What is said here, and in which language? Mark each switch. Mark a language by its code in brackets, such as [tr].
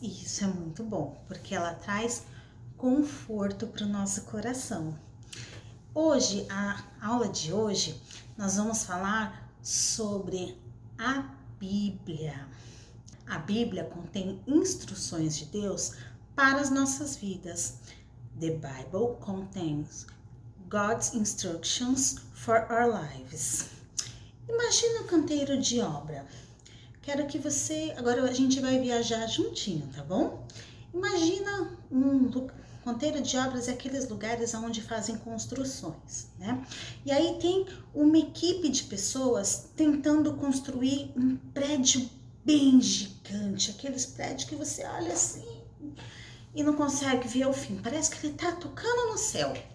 [pt] E isso é muito bom, porque ela traz conforto para o nosso coração. Hoje, a aula de hoje, nós vamos falar sobre a Bíblia. A Bíblia contém instruções de Deus para as nossas vidas. [en] The Bible contains God's instructions for our lives. [pt] Imagina o canteiro de obra. Quero que você. Agora a gente vai viajar juntinho, tá bom? Imagina um canteiro de obras é aqueles lugares onde fazem construções, né? E aí tem uma equipe de pessoas tentando construir um prédio bem gigante, aqueles prédios que você olha assim e não consegue ver o fim, parece que ele tá tocando no céu.